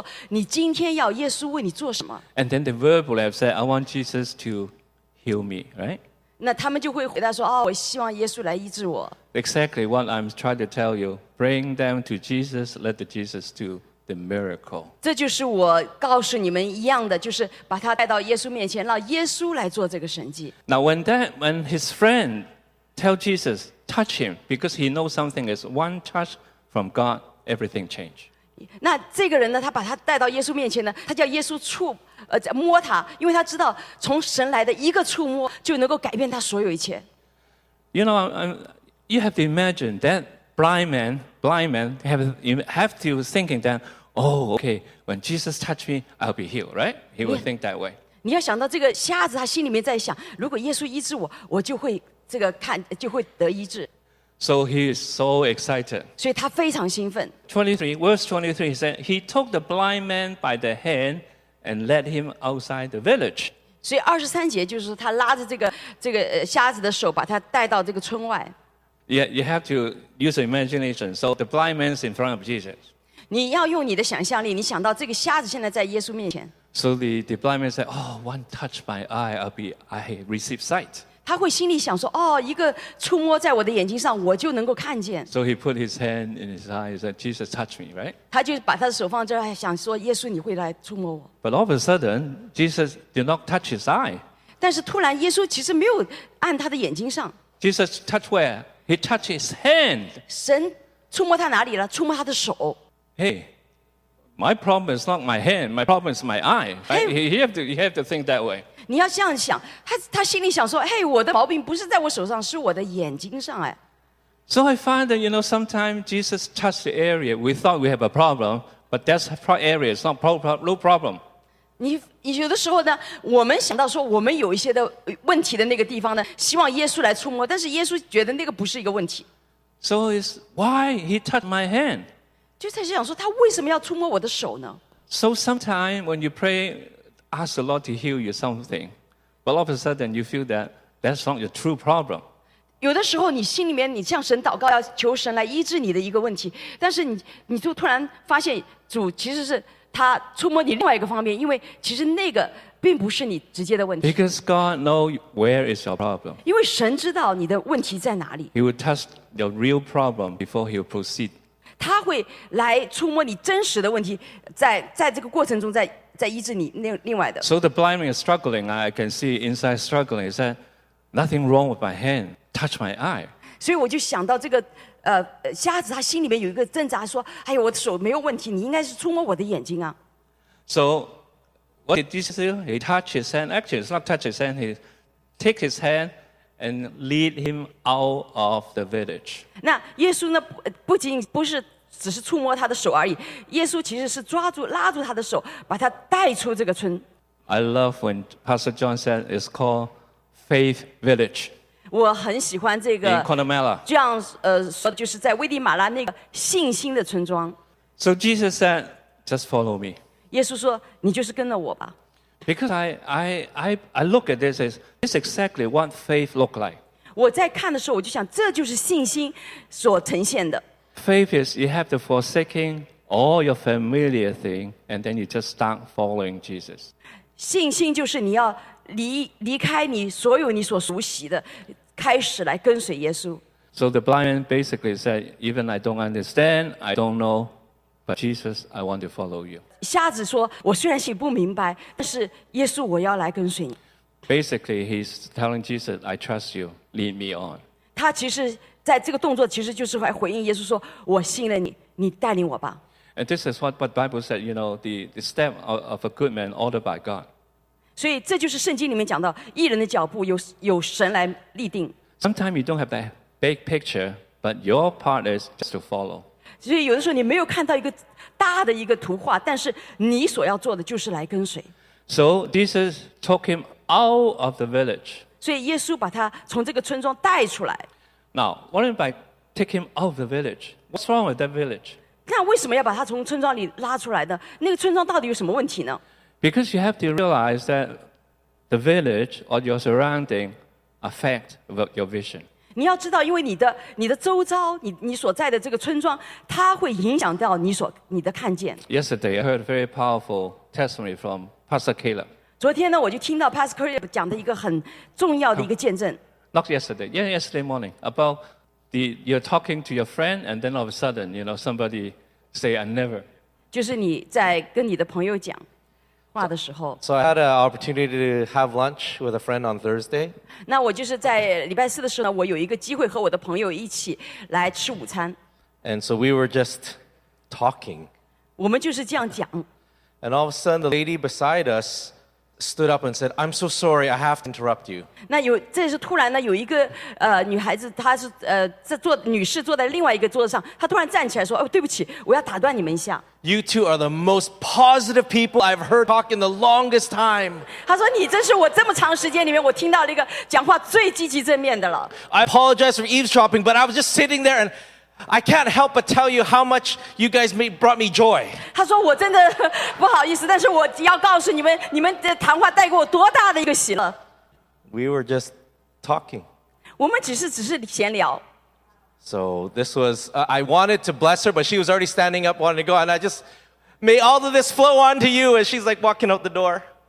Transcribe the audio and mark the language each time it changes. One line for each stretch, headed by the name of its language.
Chinese: 他们就训练人，就是要问人，就说你今天要耶稣为你做什么。
English: And then the verbal have said, "I want Jesus to heal me," right?
Chinese: 那他们就会回答说，哦，我希望耶稣来医治我。
English: Exactly what I'm trying to tell you. Bring them to Jesus. Let Jesus do the miracle.
Chinese: 这就是我告诉你们一样的，就是把他带到耶稣面前，让耶稣来做这个神迹。
English: Now when his friend tell Jesus, "Touch him," because he knows something is one touch from God, everything change.
Chinese: 那这个人呢，他把他带到耶稣面前呢，他叫耶稣摸他，因为他知道从神来的一个触摸就能够改变他所有一切。
English: You know, you have to imagine that blind man have to thinking that, oh, okay, when Jesus touched me, I'll be healed, right? He will think that way.
Chinese: 你要想到这个瞎子，他心里面在想，如果耶稣医治我，我就会这个看，就会得医治。
English: So he is so excited.
Chinese: 所以他非常兴奋。
English: 23, verse 23, he said, he took the blind man by the hand and led him outside the village.
Chinese: 所以二十三节就是他拉着这个瞎子的手，把他带到这个村外。
English: Yeah, you have to use imagination. So the blind man's in front of Jesus.
Chinese: 你要用你的想象力，你想到这个瞎子现在在耶稣面前。
English: So the blind man said, oh, one touch my eye, I receive sight.
Chinese: 他会心里想说，哦，一个触摸在我的眼睛上，我就能够看见。
English: So he put his hand in his eye and said, Jesus, touch me, right?
Chinese: 他就把他的手放在这儿，想说，耶稣，你会来触摸我。
English: But all of a sudden, Jesus did not touch his eye.
Chinese: 但是突然，耶稣其实没有按他的眼睛上。
English: Jesus touched where? He touched his hand.
Chinese: 神触摸他哪里了？触摸他的手。
English: Hey. My problem is not my hand. My problem is my eye. Right? Hey, you have to think that way.
Chinese: 你要这样想，他心里想说，嘿，我的毛病不是在我手上，是我的眼睛上，哎。
English: So I find that, you know, sometimes Jesus touched the area we thought we have a problem, but that's area is not no problem.
Chinese: 你有的时候呢，我们想到说我们有一些的问题的那个地方呢，希望耶稣来触摸，但是耶稣觉得那个不是一个问题。
English: So is why he touched my hand.
Chinese: 就在想说他为什么要触摸我的手呢
English: ？So sometimes when you pray, ask the Lord to heal you something, but all of a sudden you feel that's not your true problem.
Chinese: 有的时候你心里面你向神祷告要求神来医治你的一个问题，但是你就突然发现主其实是他触摸你另外一个方面，因为其实那个并不是你直接的问题。
English: Because God knows where is your problem.
Chinese: 因为神知道你的问题在哪里。
English: He will touch your real problem before he will proceed.
Chinese: 他会来触摸你真实的问题，在这个过程中在医治你另外的。
English: So the blind man is struggling. I can see inside struggling. He said, "Nothing wrong with my hand. Touch my eye."
Chinese: 所以我就想到这个瞎子，他心里面有一个挣扎，说：“哎呦，我的手没有问题，你应该是触摸我的眼睛啊。
English: ”So what did Jesus do? He touched his hand. Actually, it's not touch his hand. He take his hand. And lead him out of the village.
Chinese: 那耶稣呢？不仅不是只是触摸他的手而已。耶稣其实是抓住、拉住他的手，把他带出这个村。
English: I love when Pastor John said it's called Faith Village.
Chinese: 我很喜欢这个。
English: In Connemara.
Chinese: 这样说就是在危地马拉那个信心的村庄。
English: So Jesus said, "Just follow me."
Chinese: 耶稣说：“你就是跟着我吧。”
English: Because I look at this as. It's exactly what faith look like.
Chinese: 我在看的时候，我就想，这就是信心所呈现的。
English: Faith is you have to forsaking all your familiar thing, and then you just start following Jesus.
Chinese: 信心就是你要离开你所有你所熟悉的，开始来跟随耶稣。
English: So the blind man basically said, "Even I don't understand, I don't know, but Jesus, I want to follow you."
Chinese: 瞎子说，我虽然心不明白，但是耶稣，我要来跟随你。
English: Basically, he's telling Jesus, "I trust you. Lead me on."
Chinese: 他其实在这个动作其实就是来回应耶稣说，我信任你，你带领我吧。
English: And this is what the Bible said. You know, the step of a good man ordered by God.
Chinese: 所以这就是圣经里面讲到义人的脚步有神来立定。
English: Sometimes you don't have that big picture, but your part is just to follow.
Chinese: 所以有的时候你没有看到一个大的一个图画，但是你所要做的就是来跟随。
English: So Jesus took him. Out of the village.
Chinese: 所以耶稣把他从这个村庄带出来。
English: Now, what if I take him out of the village? What's wrong with that village?
Chinese: 那为什么要把他从村庄里拉出来的？那个村庄到底有什么问题呢？
English: Because you have to realize that the village or your surrounding affect your vision.
Chinese: 你要知道，因为你的周遭，你所在的这个村庄，它会影响到你的看见。
English: Yesterday, I heard a very powerful testimony from Pastor Caleb.
Chinese: 昨天呢，我就听到 Pastor Caleb 讲的一个很重要的一个见证。
English: Not yesterday, yeah, yesterday morning about the you're talking to your friend and then all of a sudden, you know, somebody say I never.
Chinese: 就是你在跟你的朋友讲话的时候。
English: So I had an opportunity to have lunch with a friend on Thursday.
Chinese: 那我就是在礼拜四的时候呢，我有一个机会和我的朋友一起来吃午餐。
English: And so we were just talking.
Chinese: 我们就是这样讲。
English: And all of a sudden, the lady beside us. stood up and said, I'm so sorry, I have to interrupt you.
Chinese: 那有这是突然呢，有一个女孩子，她是坐女士坐在另外一个桌子上，她突然站起来说，哦，对不起，我要打断你们一下。
English: You two are the most positive people I've heard talk in the longest time.
Chinese: 她说，你真是我这么长时间里面我听到了一个讲话最积极正面的了。
English: I apologize for eavesdropping, but I was just sitting there and I can't help but tell you how much you guys brought me joy.
Chinese: 他说我真的不好意思，但是我要告诉你们，你们的谈话带给我多大的一个喜乐。
English: We were just talking.
Chinese: 我们只是闲聊。
English: So this was, I wanted to bless her, but she was already standing up wanting to go, and I just, may all of this flow on to you, and she's like walking out the door.